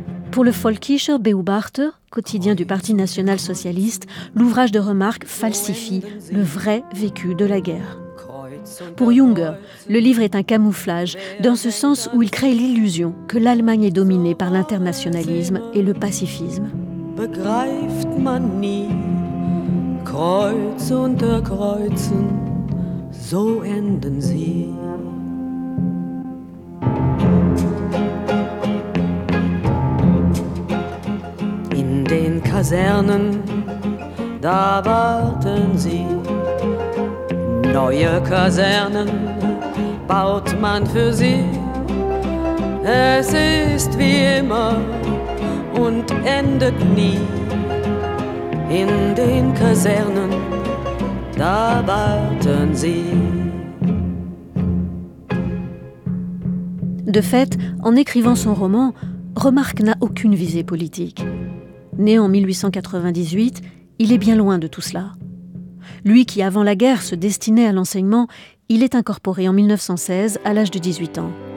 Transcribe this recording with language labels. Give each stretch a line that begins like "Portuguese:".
French: Pour le Völkischer Beobachter, quotidien du Parti national-socialiste, l'ouvrage de Remarque falsifie le vrai vécu de la guerre. Pour Junger, le livre est un camouflage, dans ce sens où il crée l'illusion que l'Allemagne est dominée par l'internationalisme et le pacifisme.
German: Begreift man nie, Kreuz unter Kreuzen, so enden sie. Kasernen, da warten sie. Neue Kasernen baut man für sie. Es ist wie immer und endet nie. In den Kasernen, da warten sie.
French: De fait, en écrivant son roman, Remarque n'a aucune visée politique. Né en 1898, il est bien loin de tout cela. Lui qui, avant la guerre, se destinait à l'enseignement, il est incorporé en 1916, à l'âge de 18 ans.